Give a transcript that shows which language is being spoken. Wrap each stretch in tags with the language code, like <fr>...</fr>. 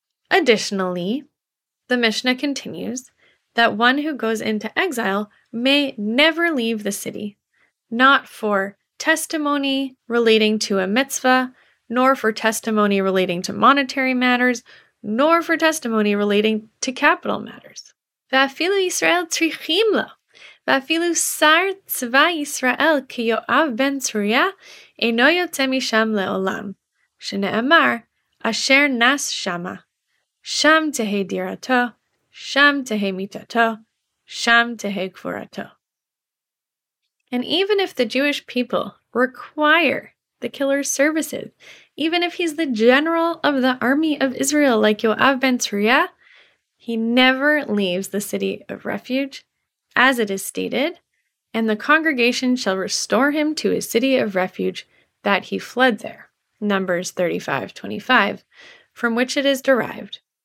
<en>Additionally, the Mishnah continues that one who goes into exile may never leave the city, not for testimony relating to a mitzvah, nor for testimony relating to monetary matters, nor for testimony relating to capital matters.</en> <he>ואפילו ישראל צריכים לו. ואפילו שר צבא ישראל כיואב בן צוריה אינו יוצא משם לעולם, שנאמר אשר נס שמה. שם תהי דירתו, שם תהי מיטתו, שם תהי קבורתו.</he> <en>And even if the Jewish people require the killer's services, even if he's the general of the army of Israel like Yoav ben Tzruya, he never leaves the city of refuge, as it is stated, and the congregation shall restore him to his city of refuge that he fled there, Numbers 35:25, from which it is derived.</en>